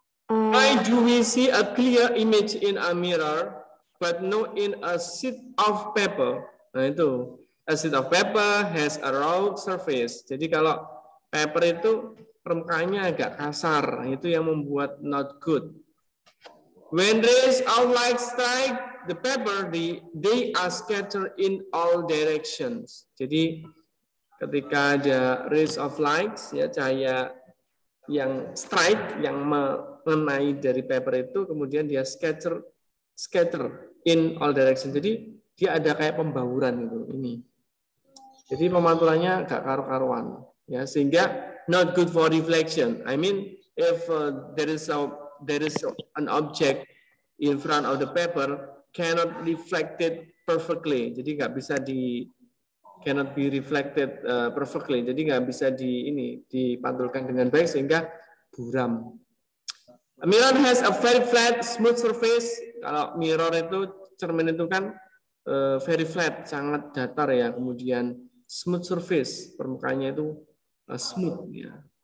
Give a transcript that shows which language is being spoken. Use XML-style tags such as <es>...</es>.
<en>Why do we see a clear image in a mirror, but not in a sheet of paper?</en> <id>Nah itu,</id> <en>a sheet of paper has a rough surface.</en> <id>Jadi kalau paper itu permukaannya agak kasar, itu yang membuat</id> <en>not good. When rays of light strike the paper, they are scattered in all directions.</en> <id>Jadi ketika ada</id> <en>rays of lights,</en> <id>ya cahaya yang strike, yang mengenai dari paper itu, kemudian dia</id> <en>scatter in all direction.</en> <id>Jadi dia ada kayak pembauran gitu ini. Jadi pemantulannya gak karu-karuan, ya sehingga</id> <en>not good for reflection. I mean, if there is an object in front of the paper, cannot reflect it perfectly.</en> <id>Jadi nggak bisa di</id> <en>cannot be reflected perfectly.</en> <id>Jadi nggak bisa di ini dipantulkan dengan baik sehingga buram.</id> <en>A mirror has a very flat, smooth surface.</en> <id>Kalau mirror itu cermin itu kan</id> <en>very flat,</en> <id>sangat datar ya. Kemudian</id> <en>smooth surface,</en> <id>permukaannya itu smooth ya.</id>